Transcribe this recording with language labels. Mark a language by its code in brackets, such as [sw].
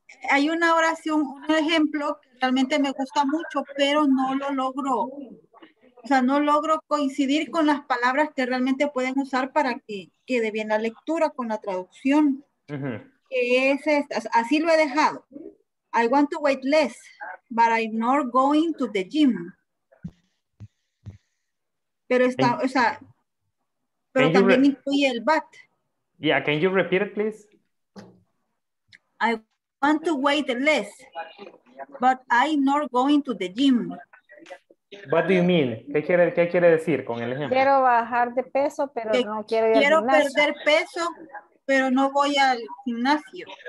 [es] Hay una oración, un ejemplo que realmente me gusta mucho, pero no lo logro. O sea, no logro coincidir con las palabras que realmente pueden usar para que quede bien la lectura con la traducción. Uh-huh. Es esta, así lo he dejado. [en] I want to weight less, but I'm not going to the gym. [es] Pero está, o sea, pero también incluye el but. [en] Yeah, can you repeat it, please? I want to weight less, but I'm not going to the gym. What do you mean? [es] ¿Qué quiere decir con el ejemplo? Quiero bajar de peso, pero que no quiero ir quiero al gimnasio. Quiero perder peso, pero no voy al gimnasio.